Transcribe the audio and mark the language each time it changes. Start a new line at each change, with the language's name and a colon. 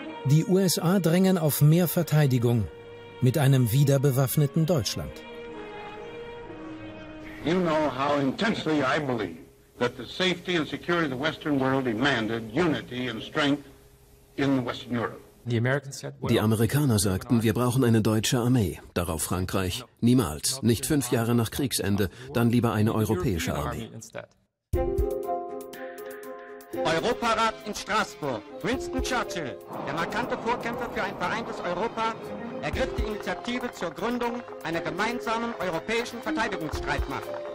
German: Die USA drängen auf mehr Verteidigung mit einem wiederbewaffneten Deutschland.
English: You know how intensely I believe that the safety and security of the Western world demanded unity and strength in Western Europe.
German: Die Amerikaner sagten, wir brauchen eine deutsche Armee. Darauf Frankreich, niemals, nicht 5 Jahre nach Kriegsende, dann lieber eine europäische Armee. Europarat in Straßburg, Winston Churchill, der markante Vorkämpfer für ein vereintes Europa, ergriff die Initiative zur Gründung einer gemeinsamen europäischen Verteidigungsstreitmacht.